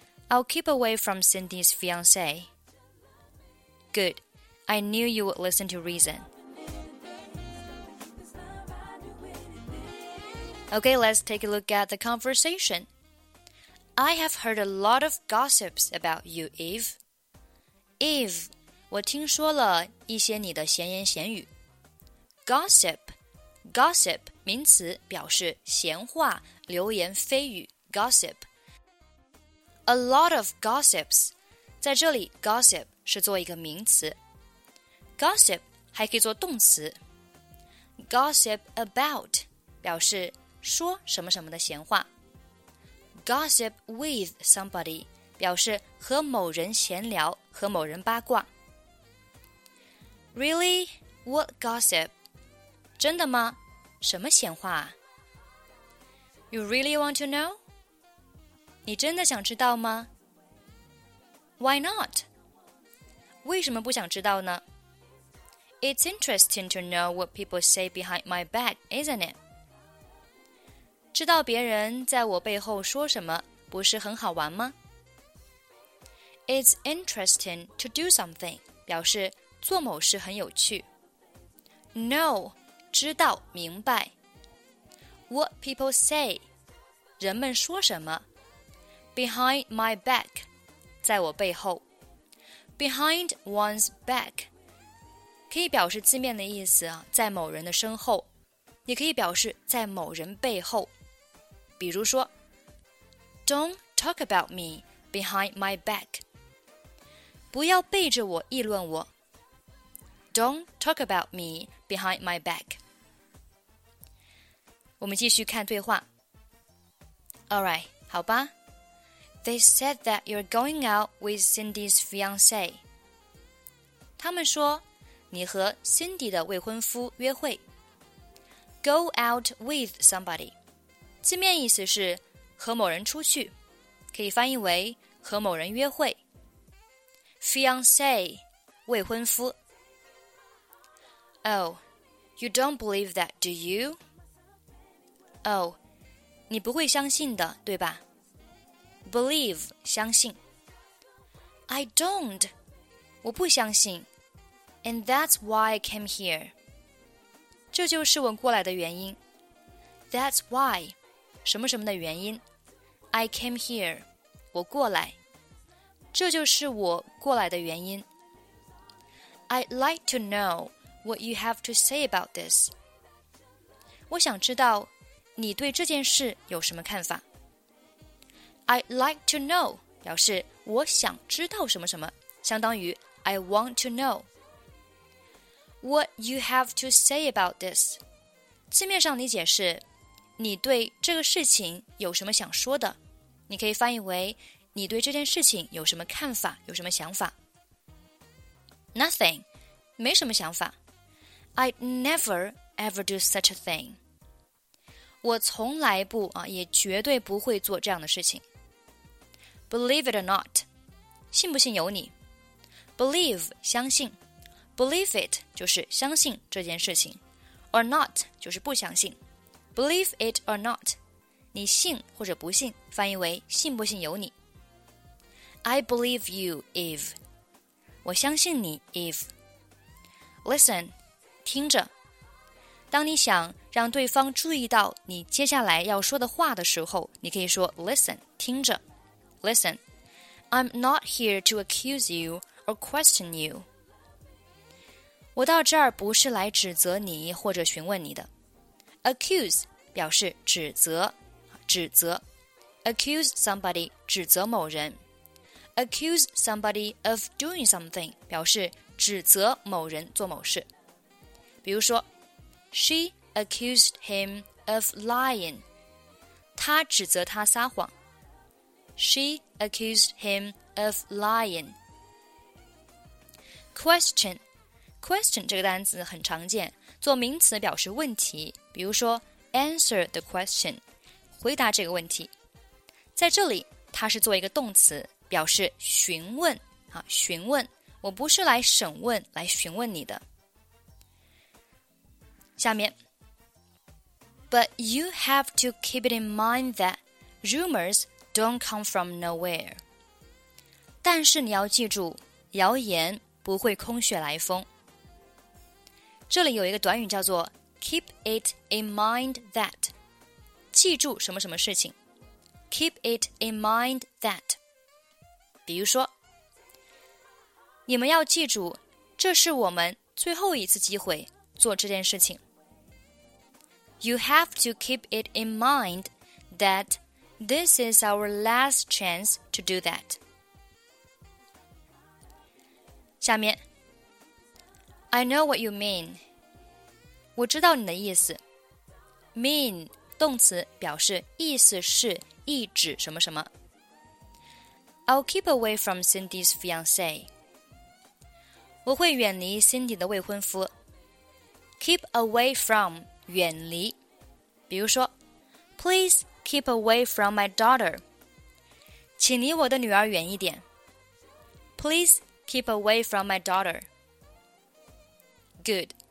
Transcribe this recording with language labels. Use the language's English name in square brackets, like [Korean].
[English] I'll keep away from Cindy's fiancé. Good. I knew you would listen to reason. Okay, let's take a look at the conversation. I have heard a lot of gossips about you, Eve. [Chinese] Eve, 我听说了一些你的闲言闲语。 Gossip, 名词表示闲话、流言蜚语。 [English] Gossip. A lot of gossips. [Chinese] 在这里 ,gossip 是做一个名词。 Gossip 还可以做动词。 Gossip about 表示说什么什么的闲话。 [English] Gossip with somebody [Chinese] 表示和某人闲聊，和某人八卦。 [English] Really? What gossip? [Chinese] 真的吗？什么闲话？ [English] You really want to know? [Chinese] 你真的想知道吗？ [English] Why not? [Chinese] 为什么不想知道呢？ [English] It's interesting to know what people say behind my back, isn't it? [Chinese] 知道别人在我背后说什么不是很好玩吗 [English] It's interesting to do something [Chinese] 表示做某事很有趣 [English] No, [Chinese] 知道明白 [English] What people say [Chinese] 人们说什么 [English] Behind my back [Chinese] 在我背后 [English] Behind one's back [Chinese] 可以表示字面的意思啊，在某人的身后也可以表示在某人背后比如说 [English] Don't talk about me behind my back [Chinese] 不要背着我议论我 [English] Don't talk about me behind my back [Chinese] 我们继续看对话 [English] Alright, [Chinese] 好吧 [English] They said that you're going out with Cindy's fiancé [Chinese] 他们说你和 Cindy 的未婚夫约会 [English] Go out with somebody [Chinese] 字面意思是和某人出去，可以翻译为和某人约会。 [English] Fiancé, [Chinese] 未婚夫。 [English] Oh, you don't believe that, do you? [Chinese] Oh, 你不会相信的，对吧？ [English] Believe, [Chinese] 相信。 [English] I don't, [Chinese] 我不相信。 [English] And that's why I came here. [Chinese] 这就是我过来的原因。 [English] That's why. [Chinese] 什么什么的原因 [English] I came here [Chinese] 我过来这就是我过来的原因 [English] I'd like to know what you have to say about this [Chinese] 我想知道你对这件事有什么看法 [English] I'd like to know [Chinese] 表示我想知道什么什么相当于 [English] I want to know What you have to say about this [Chinese] 字面上理解是你对这个事情有什么想说的？你可以翻译为你对这件事情有什么看法，有什么想法 [English] ？Nothing， [Chinese] 没什么想法。 [English] I'd never ever do such a thing。 [Chinese] 我从来不啊，也绝对不会做这样的事情。 [English] Believe it or not， [Chinese] 信不信由你。 [English] Believe [Chinese] 相信 [English] ，believe it [Chinese] 就是相信这件事情 [English] ，or not [Chinese] 就是不相信。 [English] Believe it or not, [Chinese] 你信或者不信，翻译为信不信由你。 [English] I believe you, Eve. [Chinese] 我相信你 Eve [English] Listen [Chinese] 听着当你想让对方注意到你接下来要说的话的时候你可以说 Listen 听着 [English] Listen I'm not here to accuse you or question you [Chinese] 我到这儿不是来指责你或者询问你的。 Accuse 表示指责，指责。 Accuse somebody 指责某人。 [English] Accuse somebody of doing something [Chinese] 表示指责某人做某事。比如说 [English] ，She accused him of lying. [Chinese] 她指责他撒谎。 [English] She accused him of lying. Question. [Chinese] Question 这个单词很常见，做名词表示问题，比如说 [English] answer the question， [Chinese] 回答这个问题。在这里，它是做一个动词，表示询问，啊，询问。我不是来审问，来询问你的。下面 [English] ，But you have to keep it in mind that rumors don't come from nowhere。 [Chinese] 但是你要记住，谣言不会空穴来风。这里有一个短语叫做 [English] keep it in mind that [Chinese] 记住什么什么事情 [English] keep it in mind that [Chinese] 比如说你们要记住这是我们最后一次机会做这件事情 [English] You have to keep it in mind that this is our last chance to do that [Chinese] 下面 [English] I know what you mean. [Chinese] 我知道你的意思。 [English] Mean, [Chinese] 动词表示意思是意指什么什么。 [English] I'll keep away from Cindy's fiancé. [Chinese] 我会远离 Cindy 的未婚夫。 [English] Keep away from, [Chinese] 远离。比如说 [English] Please keep away from my daughter. [Chinese] 请离我的女儿远一点。 [English] Please keep away from my daughter. Good.